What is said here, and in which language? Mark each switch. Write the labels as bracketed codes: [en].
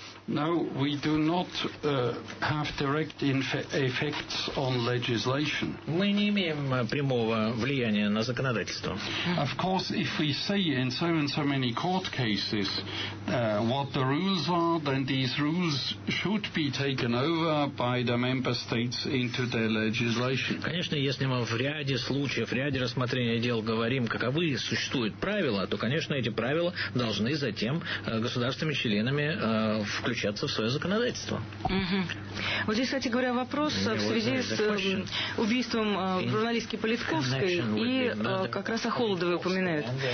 [en] No, we do not have direct effects on legislation. [ru] Мы не имеем прямого влияния на законодательство. [en] Of course, if we see in so and so many court cases what the rules are, then these rules should be taken over by the member states into their legislation. [ru] Конечно, если мы в ряде случаев, в ряде рассмотрения дел говорим, каковы существуют правила, то, конечно, эти правила должны затем государствами-членами включаться. В свое законодательство. Угу. Вот здесь, кстати говоря, вопрос в связи с убийством журналистки Политковской и как раз о Холодовой упоминают.